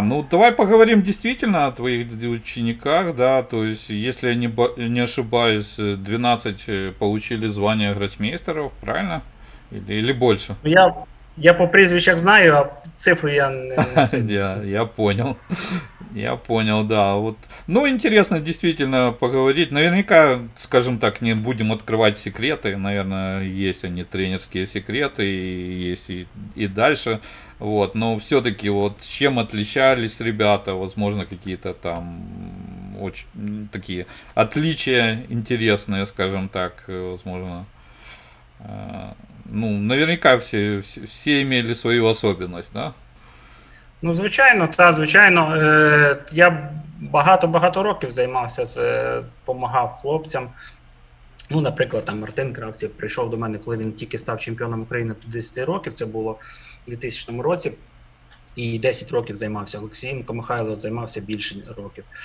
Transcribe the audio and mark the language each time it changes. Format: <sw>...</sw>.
<ru>Ну, давай поговорим действительно о твоих учениках, да. То есть, если я не ошибаюсь, 12 получили звание гроссмейстеров, правильно? Или больше?</ru> <uk>Я Я по прізвищах знаю, а цифри я не сильно.</uk> <ru>Я понял. Я понял, да. Вот. Ну, интересно действительно поговорить. Наверняка, скажем так, не будем открывать секреты. Наверное, есть они тренерские секреты, и есть и дальше. Вот. Но все-таки вот чем отличались ребята? Возможно, какие-то там очень такие отличия интересные, скажем так, возможно. Ну, наверняка все имели свою особенность, да?</ru> <uk>Ну, звичайно, та, звичайно. Я багато-багато років займався, допомагав хлопцям. Ну, наприклад, там Мартин Кравців прийшов до мене, коли він тільки став чемпіоном України до 10 років. Це було в 2000 році. І 10 років займався Олексієнко Михайло, займався більше років.</uk>